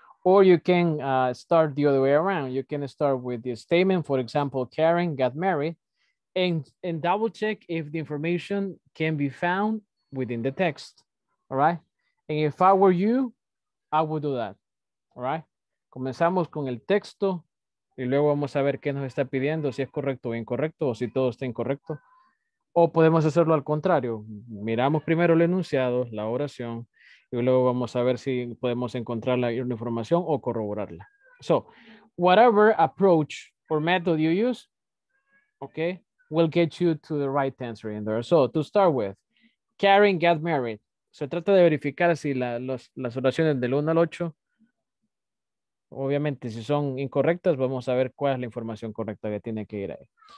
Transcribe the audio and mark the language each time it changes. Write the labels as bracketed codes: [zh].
[en] Or you can start the other way around. You can start with the statement, for example, Karen got married, and double check if the information can be found within the text, all right? And if I were you, I would do that, all right? [es] Comenzamos con el texto y luego vamos a ver qué nos está pidiendo, si es correcto o incorrecto, o si todo está incorrecto. O podemos hacerlo al contrario. Miramos primero el enunciado, la oración, y luego vamos a ver si podemos encontrar la información o corroborarla. [en] So, whatever approach or method you use, okay, will get you to the right answer in there. So, to start with, Karen got married. [es] Se trata de verificar si las oraciones del 1 al 8, obviamente, si son incorrectas, vamos a ver cuál es la información correcta que tiene que ir ahí.